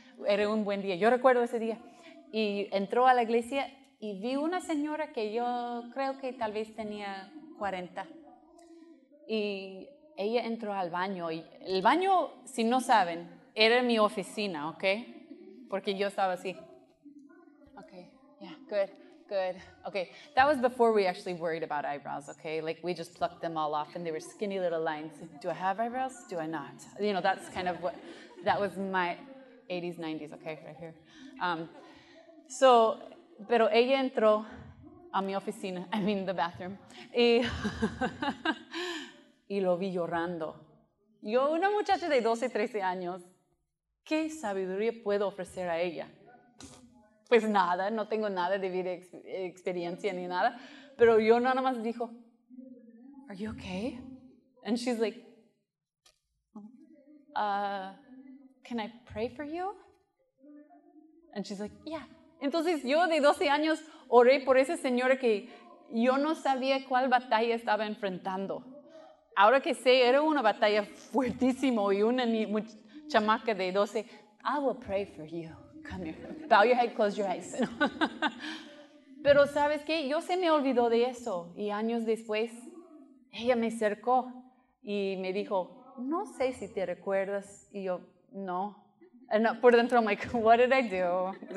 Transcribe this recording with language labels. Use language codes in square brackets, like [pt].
[es] Era un buen día. Yo recuerdo ese día. Y entró a la iglesia y vi una señora que yo creo que tal vez tenía 40. Y ella entró al baño. Y el baño, si no saben, era mi oficina, ¿ok? Porque yo estaba así. Ok, yeah, good. Good. [en] Okay, that was before we actually worried about eyebrows, okay? Like, we just plucked them all off and they were skinny little lines. Do I have eyebrows? Do I not? You know, that's kind of what, that was my 80s, 90s, okay, right here. [es] So, pero ella entró a mi oficina, [en] I mean the bathroom, [es] y, y lo vi llorando. Yo, una muchacha de 12, 13 años, ¿qué sabiduría puedo ofrecer a ella? Pues nada, no tengo nada de vida, experiencia ni nada. Pero yo nada más dijo, [en] are you okay? And she's like, can I pray for you? And she's like, yeah. [es] Entonces yo de 12 años oré por ese señor que yo no sabía cuál batalla estaba enfrentando. Ahora que sé, era una batalla fuertísima y una chamaca de 12, [en] I will pray for you. Come here. Bow your head, close your eyes. [es] Pero ¿sabes qué? Yo se me olvidó de eso. Y años después, ella me acercó y me dijo, no sé si te recuerdas. Y yo, no. [en] And [es] por dentro, [en] I'm like, what did I do?